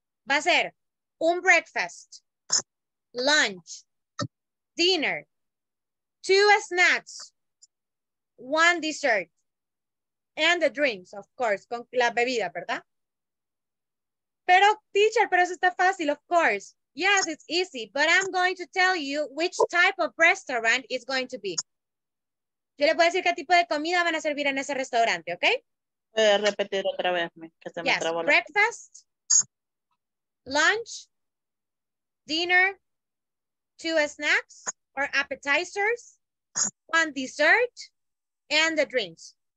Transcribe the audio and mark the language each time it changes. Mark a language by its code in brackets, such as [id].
[es] Va a ser un [en] breakfast, lunch, dinner, two snacks, one dessert, and the drinks, of course, [es] con la bebida, ¿verdad? Pero, teacher, pero eso está fácil, [en] of course. Yes, it's easy, but I'm going to tell you which type of restaurant it's going to be. [es] Yo le puedo decir qué tipo de comida van a servir en ese restaurante, ¿ok? Voy a repetir otra vez, que se me trabó. [en] Breakfast, lunch, dinner, two snacks or appetizers, one dessert, and the drinks.